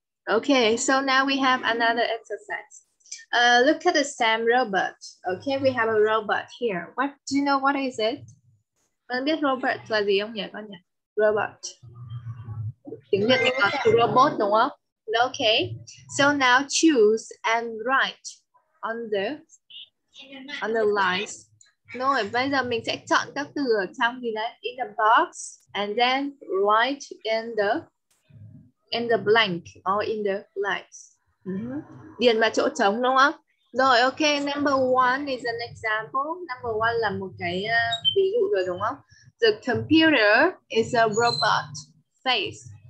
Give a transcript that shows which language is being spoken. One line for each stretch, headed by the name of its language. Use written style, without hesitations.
English: Okay, so now we have another exercise. Look at the same robot. Okay, we have a robot here. What do you know? What is it?
Vietnamese: Con biết robot là gì không nhỉ con nhỉ? Robot. Tiếng Việt là robot đúng không?
English: Okay. So now choose and write on the lines.
Vietnamese: Rồi bây giờ mình sẽ chọn các từ ở trong gì đấy
English: in the box and then write in the blank or in the lines.
Vietnamese: Điền vào chỗ trống đúng không? Rồi ok,
English: number one is an example.
Vietnamese: Number one là một cái ví dụ rồi đúng không?
English: The computer is a robot face.